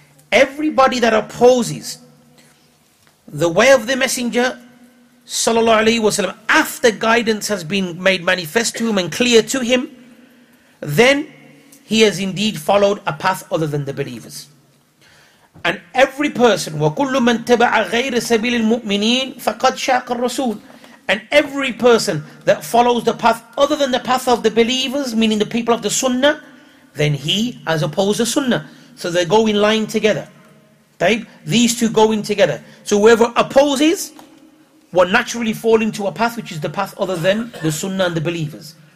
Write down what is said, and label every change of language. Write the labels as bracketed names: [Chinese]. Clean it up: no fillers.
[English] Everybody that opposes the way of the messenger sallallahu alayhi wasallam, after guidance has been made manifest to him and clear to him, then he has indeed followed a path other than the believers. And every person, [Arabic] وَكُلُّ مَنْ تَبَعَ غَيْرَ سَبِيلِ الْمُؤْمِنِينَ فَقَدْ شَاقَ الرَّسُولِ. [English] And every person that follows the path other than the path of the believers, meaning the people of the sunnah, then he has opposed the sunnah. So they go in line together. Right? These two go in together. So whoever opposes will naturally fall into a path which is the path other than the sunnah and the believers.